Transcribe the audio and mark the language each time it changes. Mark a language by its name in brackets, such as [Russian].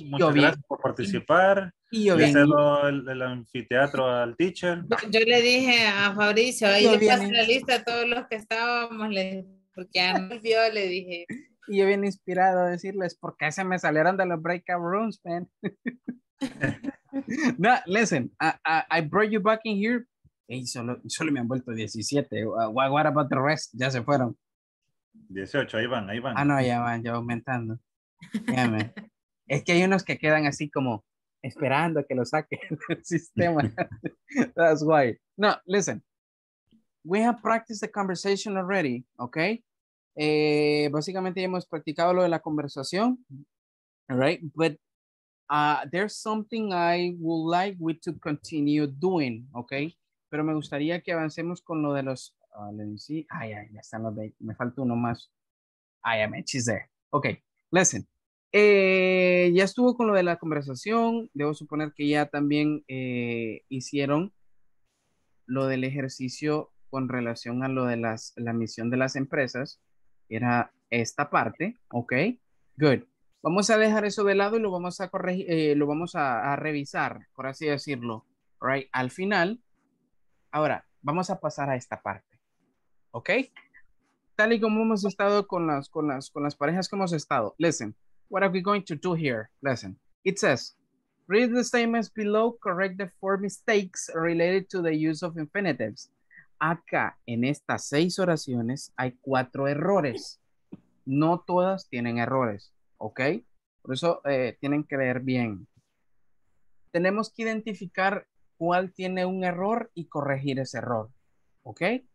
[Spanish] Muchas gracias por participar. Le cedo el anfiteatro al teacher. Yo le dije a Fabricio, ya pasé la lista a todos los que estábamos, porque ya no vio, le dije. Y yo bien inspirado a decirles, ¿por qué se me salieron de los breakout rooms, man? [English] No, listen, I brought you back in here. [Spanish] Hey, solo me han vuelto 17. [English] What about the rest? [Spanish] Ya se fueron. 18, ahí van. Ah, no, ya van aumentando. Yeah, es que hay unos que quedan así como esperando que lo saque el sistema. [English] That's why. No, listen. we have practiced the conversation already, okay? [Spanish] Básicamente hemos practicado lo de la conversación, [English] all right? But there's something I would like we to continue doing, okay? [Spanish] Pero me gustaría que avancemos con lo de los, [English] let me see, [Spanish] ya están los de, me falta uno más. [English] She's there. Okay, listen. [Spanish] Ya estuvo con lo de la conversación, debo suponer que ya también hicieron lo del ejercicio con relación a lo de las, la misión de las empresas, era esta parte, ok, good. Vamos a dejar eso de lado y lo vamos a corregir, lo vamos a revisar, por así decirlo, [English] right, [Spanish] al final. Ahora, vamos a pasar a esta parte, ok. Tal y como hemos estado con las parejas que hemos estado, [English] listen. What are we going to do here? Listen, it says, read the statements below, correct the four mistakes related to the use of infinitives. [Spanish] Acá, en estas seis oraciones, hay cuatro errores. No todas tienen errores, ¿ok? Por eso tienen que leer bien. Tenemos que identificar cuál tiene un error y corregir ese error, ¿ok?